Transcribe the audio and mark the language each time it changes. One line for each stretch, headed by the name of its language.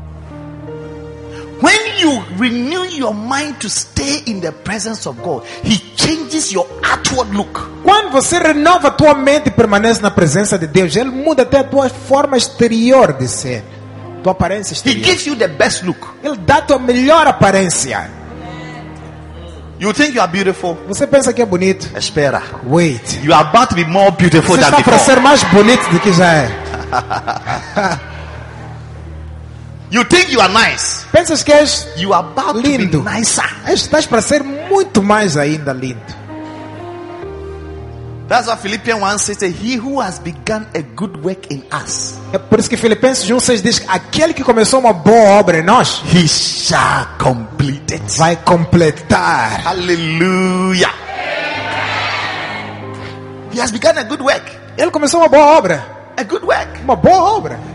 English: When you renew your mind to stay in the presence of God, he changes your outward look.
Portuguese: Quando você renova tua mente e permanece na presença de Deus, ele muda até a tua forma exterior de ser, tua aparência exterior.
English: He gives you the best look.
Portuguese: Ele dá tua melhor aparência.
English: You think you are beautiful?
Portuguese: Você pensa que é bonito? Espera.
English: Wait. You are about to be more beautiful
Portuguese: você
English: than before.
Portuguese: Você está para ser mais bonito do que já é.
English: You think you are nice?
Portuguese: Pensas que és
English: you are about
Portuguese: lindo.
English: To be nicer.
Portuguese: Estás para ser muito mais ainda lindo.
English: That's what Philippians 1:6 says, "He who has begun a good work in us."
Portuguese: É por isso que Filipenses 1:6 diz, aquele que começou uma boa obra em nós,
English: he shall complete it.
Portuguese: Vai completar.
English: Hallelujah. He has begun a good work.
Portuguese: Ele começou uma boa obra.
English: A good work.
Portuguese: Uma boa obra.